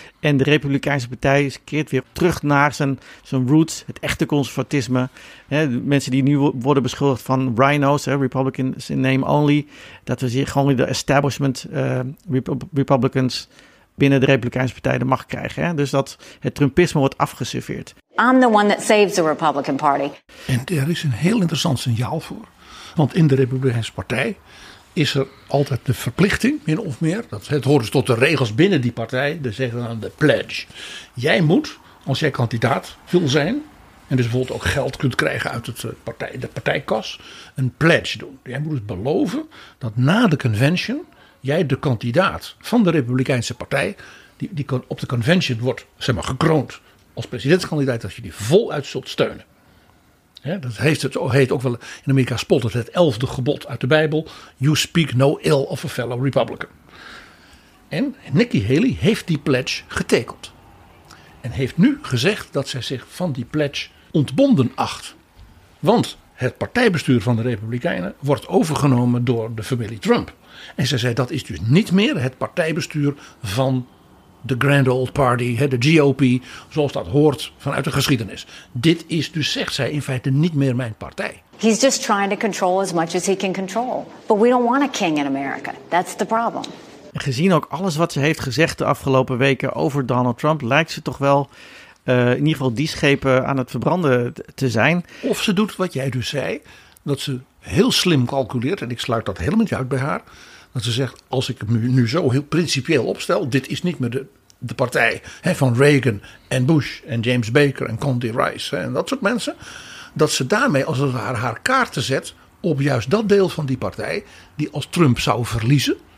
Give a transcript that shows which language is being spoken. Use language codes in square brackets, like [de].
[nl] En de Republikeinse Partij keert weer terug naar zijn roots, het echte conservatisme. Mensen die nu worden beschuldigd van rhinos, [en] Republicans in name only. [nl] Dat we hier gewoon de establishment Republicans binnen de Republikeinse Partij de macht krijgen. Hè? Dus dat het Trumpisme wordt afgeserveerd. [en] I'm the one that saves the Republican Party. [nl] En er is een heel interessant signaal voor. Want in de Republikeinse Partij is er altijd de verplichting, min of meer. Het hoort dus tot de regels binnen die partij. De zogenaamde pledge. Jij moet, als jij kandidaat wil zijn, en dus bijvoorbeeld ook geld kunt krijgen uit de partijkas, een pledge doen. Jij moet het beloven dat na de convention jij de kandidaat van de Republikeinse Partij, die op de convention wordt gekroond als presidentskandidaat als je die voluit zult steunen. Ja, dat heeft het, heet ook wel in Amerika spottend het 11e gebod uit de Bijbel. [en] You speak no ill of a fellow Republican. [nl] En Nikki Haley heeft die pledge getekend. En heeft nu gezegd dat zij zich van die pledge ontbonden acht. Want het partijbestuur van de Republikeinen wordt overgenomen door de familie Trump. En zij zei dat is dus niet meer het partijbestuur van de Grand Old Party, de GOP, zoals dat hoort vanuit de geschiedenis. Dit is dus, zegt zij, in feite niet meer mijn partij. [en] He's just trying to control as much as he can control. But we don't want a king in America. That's the problem. [nl] Gezien ook alles wat ze heeft gezegd de afgelopen weken over Donald Trump, lijkt ze toch wel in ieder geval die schepen aan het verbranden te zijn. Of ze doet wat jij dus zei, dat ze heel slim calculeert, en ik sluit dat helemaal niet uit bij haar, dat ze zegt, als ik me nu zo heel principieel opstel, dit is niet meer de partij van Reagan en Bush en James Baker en Condi Rice en dat soort mensen, dat ze daarmee als het ware haar kaarten zet op juist dat deel van die partij die als Trump zou verliezen.